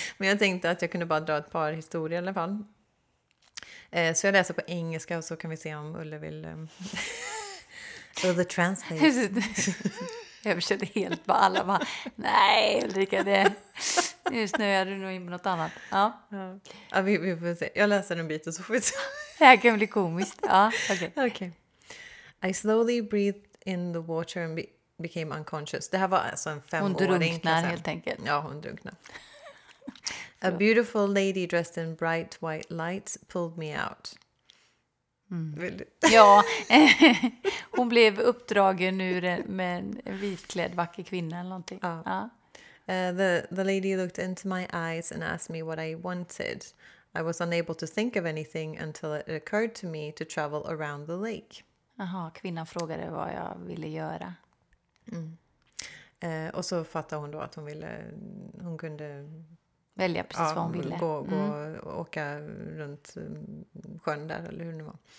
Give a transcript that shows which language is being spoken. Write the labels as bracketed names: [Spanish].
[Swedish] Men jag tänkte att jag kunde bara dra ett par historier i alla fall. Så jag läser på engelska och så kan vi se om Ulle vill... [English] Ulle translate. [Swedish] Jag försökte helt på alla. Bara, nej, Ulrika, det. Just nu är du nog in på något annat. Ja. Ja, vi får se. Jag läser en bit och så får vi se. Det här kan bli komiskt. Ja, okay. Okay. [English] I slowly breathed in the water and became unconscious. [Swedish] Det här var alltså en femåring. Hon drunknar helt enkelt. Ja, hon drunknar. [English] A beautiful lady dressed in bright white lights pulled me out. [Swedish] Mm. Ja, hon blev uppdragen nu med en vitklädd vacker kvinna eller någonting. Ja. [English] The lady looked into my eyes and asked me what I wanted. I was unable to think of anything until it occurred to me to travel around the lake. [Swedish] Aha, kvinnan frågade vad jag ville göra. Mm. Och så fattade hon då att hon kunde välja precis vad hon ville. Gå och åka runt sjön där, eller hur det var.